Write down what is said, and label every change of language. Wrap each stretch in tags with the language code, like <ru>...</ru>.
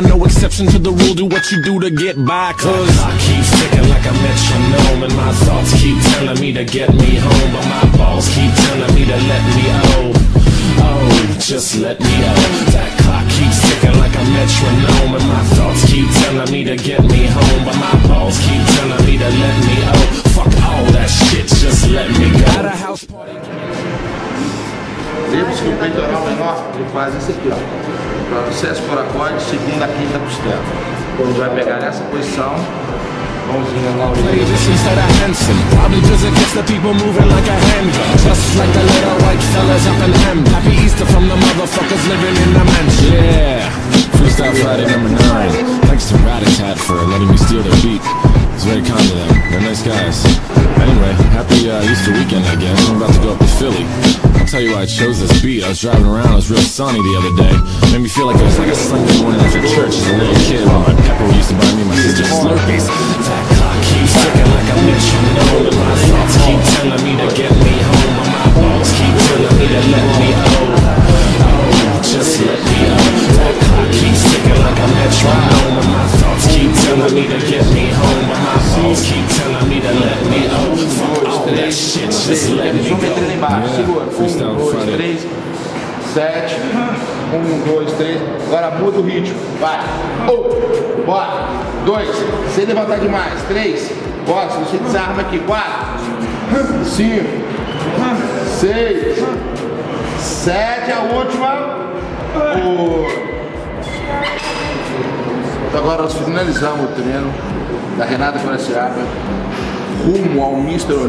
<en>No exception to the rule, do what you do to get by. Cause I keep ticking like a metronome, and my thoughts keep telling me to get me home, but my balls keep telling me to let me go. home, just let me out. That clock keeps ticking like a metronome, and my thoughts keep telling me to get me home, but my balls keep telling me to let me out. Fuck all that shit, just let me go. Got a house party.</en> <pt>Lembre-se que o peitoral menor ele faz esse aqui, ó. Processo coracoide, segunda, quinta costela. Quando vai pegar nessa posição, mãozinha na orelha.</pt> <en>Just like the little white fellas up in Hem. Happy Easter from the motherfuckers living in the mansion. Yeah, Freestyle Friday number 9. Thanks to Rat-A-Tat for letting me steal their beat. It's very kind of them, they're nice guys. Anyway, happy Easter weekend, I guess. I'm about to go up to Philly. I'll tell you why I chose this beat. I was driving around, it was real sunny the other day. It made me feel like it was like a Sunday morning after church as a little kid. While my pepper used to buy me and my sister Slurpees. That clock keeps ticking like a metronome, and my thoughts keep telling me to get me home. And my balls keep telling me to let me out. Oh, just let me out. That clock keeps ticking like a metronome, and my thoughts keep telling me to get me home. And my balls keep telling me to let me out. Fuck all that shit, just let me out. Freestyle Friday.</en> <pt>7, 1, 2, 3, agora muda o ritmo, vai, 1, bora, 2, sem levantar demais, 3, bora, se você desarma aqui, 4, 5, 6, 7, a última, 1, agora nós finalizamos o treino da Renata Graciaba, rumo ao Mr.</pt>